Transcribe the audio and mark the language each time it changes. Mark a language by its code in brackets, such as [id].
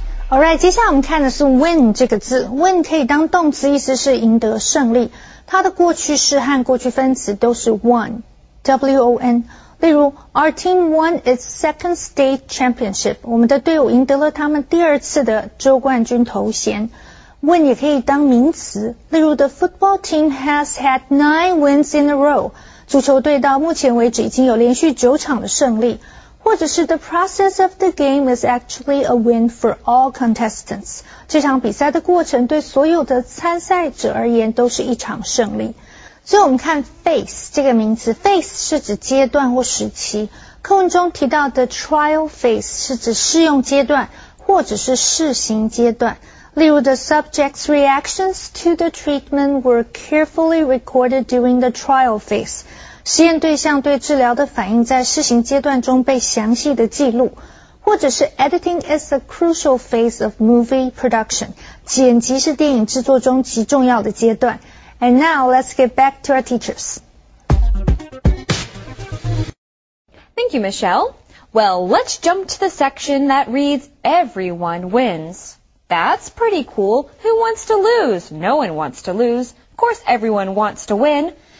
[zh] Alright, 接下来我们看的是 win 这个字。win 可以当动词，意思是赢得胜利。它的过去式和过去分词都是 won, W-O-N。例如 [en] ,our team won its second state championship. [zh] 我们的队伍赢得了他们第二次的州冠军头衔。 win 也可以当名词。例如 [en] ,the football team has had 9 wins in a row. [zh] 足球队到目前为止已经有连续9场的胜利。或者是 [en] the process of the game is actually a win for all contestants. [zh] 这场比赛的过程对所有的参赛者而言都是一场胜利。所以我们看 phase 这个名词 ,phase 是指阶段或时期。课文中提到的 trial phase 是指试用阶段或者是试行阶段。例如 [en] the subject's reactions to the treatment were carefully recorded during the trial phase. [zh] 实验对象对治疗的反应在试行阶段中被详细的记录。或者是 [en] editing is a crucial phase of movie production. [zh] 剪辑是电影制作中极重要的阶段。 [en] And now, let's get back to our teachers. Thank you, Michelle. Well, let's jump to the section that reads, Everyone wins. That's pretty cool. Who wants to lose? No one wants to lose. Of course, everyone wants to win.